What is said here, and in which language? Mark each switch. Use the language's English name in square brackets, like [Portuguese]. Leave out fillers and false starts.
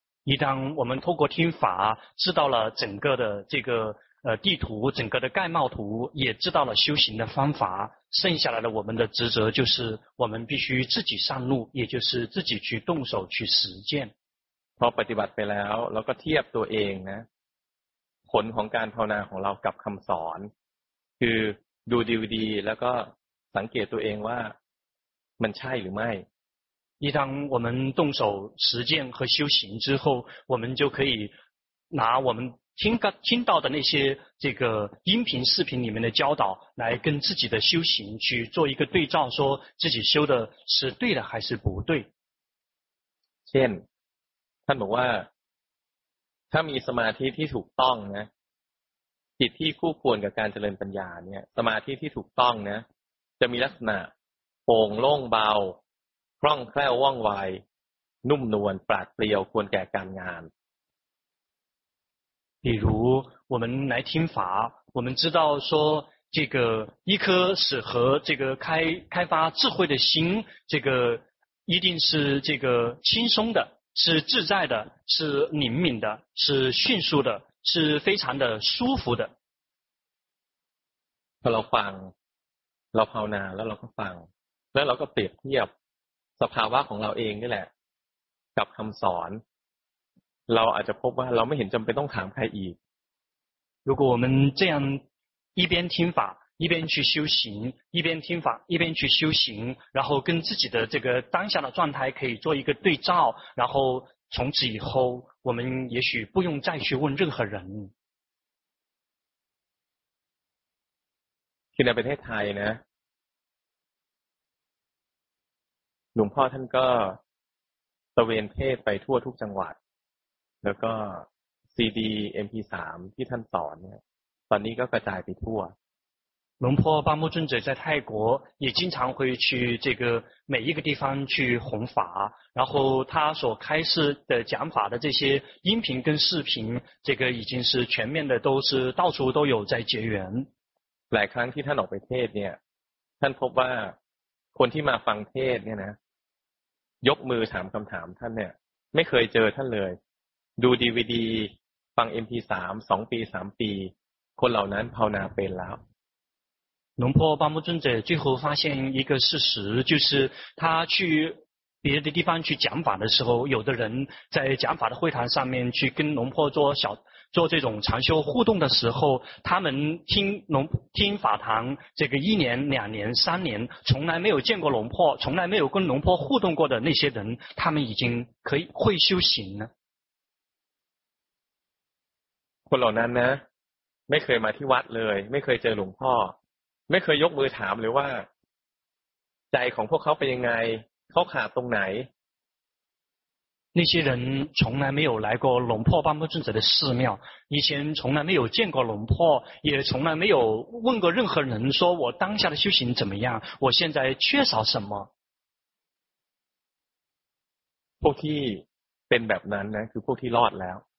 [Chinese] 一旦我们透过听法知道了整个的这个地图整个的概貌图也知道了修行的方法剩下来的我们的职责就是我们必须自己上路也就是自己去动手去实践 [Thai] พอปฏิบัติไปแล้วเราก็เทียบตัวเองนะผลของการภาวนาของเรากับคำสอนคือดูดีๆแล้วก็สังเกตตัวเองว่ามันใช่หรือไม่ [Chinese] 一当我们动手实践和修行之后我们就可以拿我们听到的那些这个音频视频里面的教导来跟自己的修行去做一个对照说自己修的是对的还是不对 [Thai] เช่นท่านบอกว่าถ้ามีสมาธิที่ถูกต้องนะจิตที่คู่ควรกับการเจริญปัญญาเนี่ยสมาธิที่ถูกต้องนะจะมีลักษณะโปร่งโล่งเบาคล่องแคล่วว่องไวนุ่มนวลปราดเปรียวควรแก่การงาน [Chinese] 比如我们来听法，我们知道说这个一颗适合这个开发智慧的心，这个一定是这个轻松的，是自在的，是灵敏的，是迅速的，是非常的舒服的。 [Thai] เราฟังเราภาวนาแล้วเราก็ฟังแล้วเราก็เปรียบเทียบสภาวะของเราเองนี่แหละกับคำสอนเราอาจจะพบว่าเราไม่เห็นจำเป็นต้องถามใครอีก [Chinese] 如果我们这样一边听法一边去修行一边听法一边去修行然后跟自己的这个当下的状态可以做一个对照然后从此以后我们也许不用再去问任何人 [Thai] ที่ในประเทศไทยนะหลวงพ่อท่านก็ตะเวนเทศไปทั่วทุกจังหวัดแล้วก็ซีดี MP3 ที่ท่านสอนเนี่ยตอนนี้ก็กระจายไปทั่ว [Chinese] หลวงพ่อปาโมจุนเจ๋อ在泰国也经常会去这个每一个地方去弘法然后他所开示的讲法的这些音频跟视频这个已经是全面的都是到处都有在结缘 [Thai] หลายครั้งที่ท่านออกไปเทศเนี่ยท่านพบว่าคนที่มาฟังเทศเนี่ยนะยกมือถามคำถามท่านเนี่ยไม่เคยเจอท่านเลยดู DVD ฟัง MP3 2ปี3ปีคนเหล่านั้นภาวนาเป็นแล้ว [Chinese] 龙婆巴木尊者最后发现一个事实就是他去别的地方去讲法的时候有的人在讲法的会谈上面去跟龙婆做这种禅修互动的时候他们听法堂这个一年两年三年从来没有见过龙婆从来没有跟龙婆互动过的那些人他们已经可以会修行了 [Thai] คนเหล่านั้นนะไม่เคยมาที่วัดเลยไม่เคยเจอหลวงพ่อไม่เคยยกมือถามเลยว่าใจของพวกเขาเป็นยังไงเขาขาดตรงไหน [Chinese] 那些人从来没有来过龙破巴木尊者的寺庙以前从来没有见过龙破也从来没有问过任何人说我当下的修行怎么样我现在缺少什么 [Thai] พวกที่เป็นแบบนั้นนะคือพวกที่รอดแล้ว